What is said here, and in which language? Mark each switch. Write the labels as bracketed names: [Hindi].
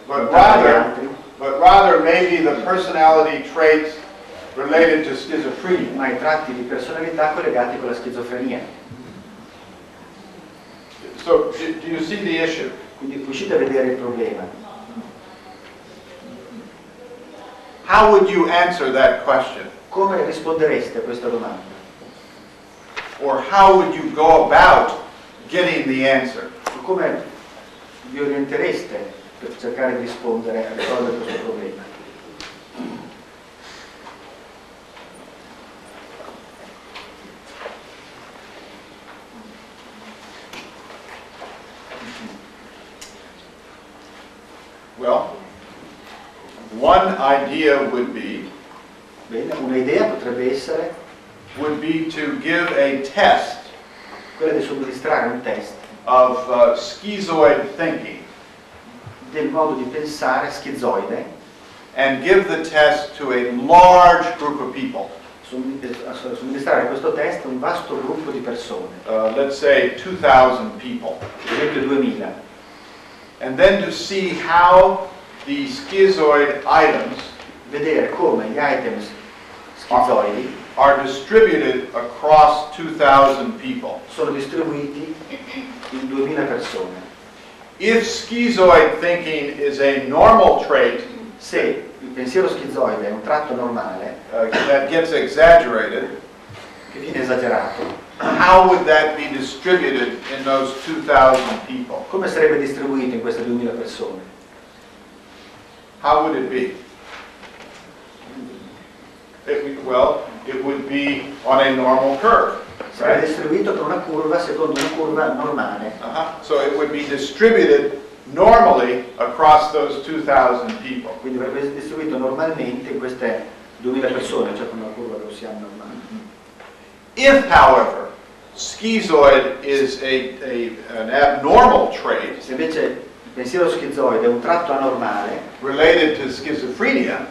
[English] but rather maybe the personality traits related to schizophrenia, [Italian] ma i tratti di personalità collegati con la schizofrenia. [English] So do you see the issue? [Italian] Quindi riuscite a vedere il problema? [English] How would you answer that question? [Italian] Come rispondereste a questa domanda? [English] Or how would you go about getting the answer? [Italian] Come vi orientereste per cercare di rispondere a risolvere questo problema? [English] Well, one idea would be, [Italian] bene, un'idea potrebbe essere, [English] would be to give a test, [Italian] quella di somministrare un test, [English] of schizoid thinking, [Italian] del modo di pensare schizoide, [English] and give the test to a large group of people, [Italian] somministrare questo test a un vasto gruppo di persone, [English] let's say 2,000 people, [Italian] per esempio 2,000, [English] and then to see how the schizoid items, [Italian] vedere come gli items schizoidi, [English] are distributed across 2,000 people. [Italian] Sono distribuiti in 2,000 persone. [English] If schizoid thinking is a normal trait, [Italian] se il pensiero schizoide è un tratto normale, [English] that gets exaggerated, [Italian] che viene esagerato, [English] how would that be distributed in those 2,000 people? [Italian] Come sarebbe distribuito in queste 2,000 persone? [English] How would it be? It would be on a normal curve. [Italian] Sarebbe [English] right? [Italian] distribuito per una curva secondo una curva normale. Uh-huh. [English] So it would be distributed normally across those 2,000 people. [Italian] Quindi sarebbe distribuito normalmente in queste 2,000 persone, cioè con una curva gaussiana normale. [English] If, however, schizoid is an abnormal trait. [Italian] Se invece il pensiero schizoide è un tratto anormale, [English] related to schizophrenia,